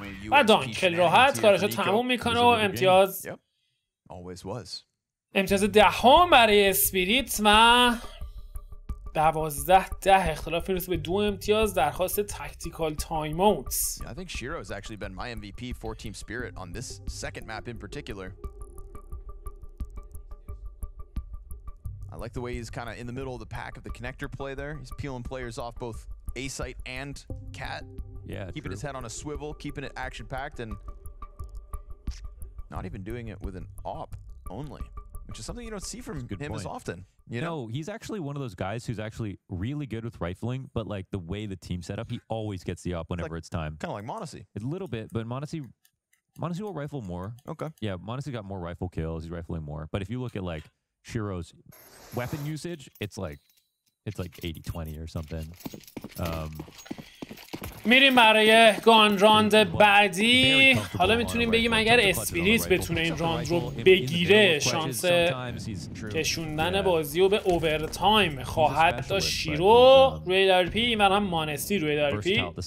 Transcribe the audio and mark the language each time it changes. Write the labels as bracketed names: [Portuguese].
[Persian] و دانک خیلی راحت کارش رو تموم میکنه و امتیاز [English] always was. [Persian] امتیاز دهم برای اسپیریت و 12-10 اختلافی رسید به 2 امتیاز. درخواست تاکتیکال تایم اوت. [English] I think Shiro has actually been my MVP for Team Spirit on this second map in particular. I like the way he's kind of in the middle of the pack of the connector play there. He's peeling players off both A site and Cat. Yeah, keeping his head on a swivel, keeping it action packed and not even doing it with an AWP only. range. Something you don't see from him as often. You know, no, he's actually one of those guys who's actually really good with rifling, but like the way the team set up, he always gets the op whenever it's time. Kind of like Monacy. A little bit, but Monacy will rifle more. Okay. Yeah, Monacy got more rifle kills. He's rifling more. But if you look at like Shiro's weapon usage, it's like 80-20 or something. [Persian] میریم برای گان راند بعدی. حالا میتونیم بگیم اگر اسپیریت بتونه این راند رو بگیره، شانس کشوندن بازی رو به اوورتایم خواهد داشت. شیرو روی درپی و هم مانسی روی درپی.